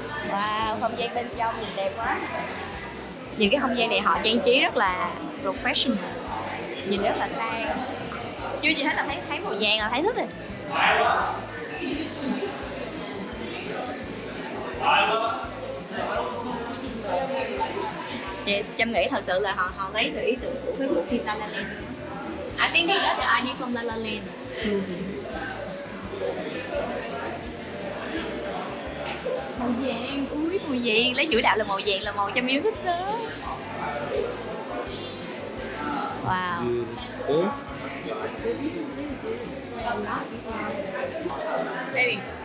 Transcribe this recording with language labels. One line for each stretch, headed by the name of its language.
Vietnamese: Wow, không gian bên trong nhìn đẹp quá. Nhìn cái không gian này họ trang trí rất là professional, nhìn rất là sang. Chưa gì hết là thấy màu vàng là thấy thích rồi. Chị Trâm nghĩ thật sự là họ lấy từ ý tưởng của cái bộ phim La La Land.
English: I think they got the idea from La La Land.
Vietnamese: Màu vàng, úi màu vàng, lấy chủ đạo là màu vàng, là màu cho miếu thích đó. Wow.
English: Baby.